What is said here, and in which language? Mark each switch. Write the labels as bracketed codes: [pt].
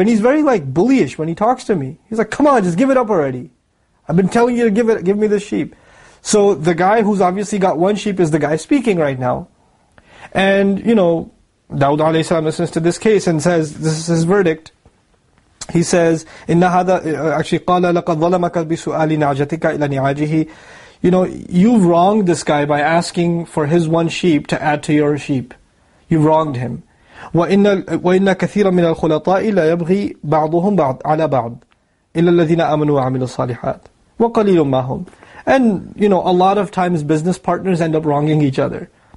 [en] And he's very, like, bullish when he talks to me. He's like, come on, just give it up already. I've been telling you to give me this sheep. So the guy who's obviously got one sheep is the guy speaking right now. And, you know, Dawood alayhi salam listens to this case and says, this is his verdict. He says, [ar] إِنَّ هَذَا actually قَالَ لَقَدْ ظَلَمَكَ بِسُؤَالِ نَعْجَتِكَ إِلَى نِعَاجِهِ. [en] You know, you've wronged this guy by asking for his one sheep to add to your sheep. you wronged him. [ar] وَإِنَّ كَثِيرًا مِنَ الْخُلَطَاءِ لَا يَبْغِي بَعْضُهُمْ عَلَى بَعْضٍ إِلَّا الَّذِينَ آمَنُوا وَعَمِلُوا الصَّالِحَاتِ وَقَلِيلٌ مَا هُمْ. [en] And you know, a lot of times business partners end up wronging each other.